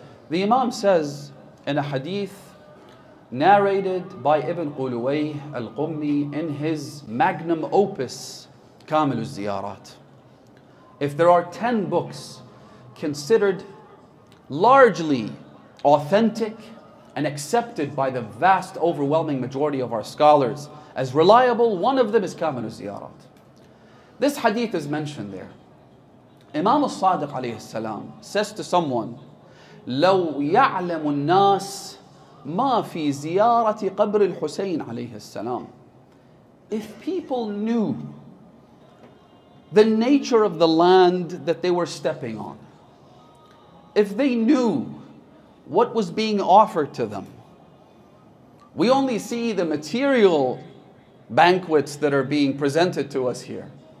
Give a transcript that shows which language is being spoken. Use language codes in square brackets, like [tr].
[en] The Imam says in a hadith narrated by Ibn Quluwayh al-Qumi in his magnum opus, Kamil al-Ziyarat, if there are 10 books considered largely authentic and accepted by the vast overwhelming majority of our scholars as reliable, one of them is Kamil al-Ziyarat. This hadith is mentioned there. Imam al-Sadiq alayhi salam says to someone, [ar] لو يعلم الناس ما في زيارة قبر الحسين عليه السلام. [en] If people knew the nature of the land that they were stepping on, if they knew what was being offered to them, we only see the material banquets that are being presented to us here.